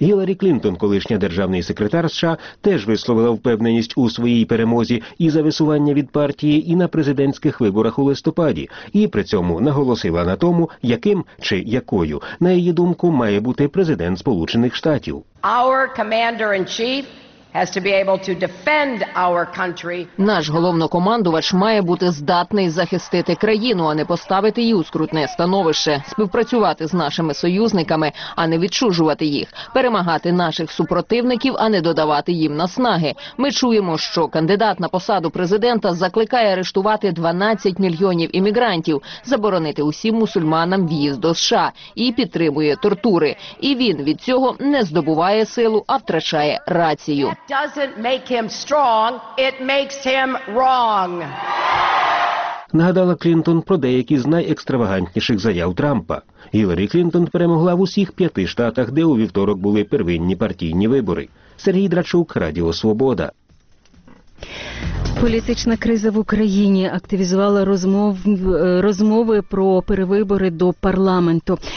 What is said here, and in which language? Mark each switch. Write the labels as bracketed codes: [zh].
[uk] Гіларі Клінтон, колишня державний секретар США, теж висловила впевненість у своїй перемозі і за висування від партії, і на президентських виборах у листопаді. І при цьому наголосила на тому, яким чи якою, на її думку, має бути президент Сполучених Штатів. [en] Our commander-in-chief has to be able to defend our country. [uk] Наш головнокомандувач має бути здатний захистити країну, а не поставити її у скрутне становище, співпрацювати з нашими союзниками, а не відчужувати їх, перемагати наших супротивників, а не додавати їм наснаги. Ми чуємо, що кандидат на посаду президента закликає арештувати 12 мільйонів іммігрантів, заборонити усім мусульманам в'їзд до США і підтримує тортури. І він від цього не здобуває силу, а втрачає рацію. [en] It doesn't make him strong, it makes him wrong. [uk] Нагадала Клінтон про деякі з найекстравагантніших заяв Трампа. Гіларі Клінтон перемогла в усіх 5 штатах, де у вівторок були первинні партійні вибори. Сергій Драчук, Радіо Свобода. Політична криза в Україні активізувала розмови про перевибори до парламенту.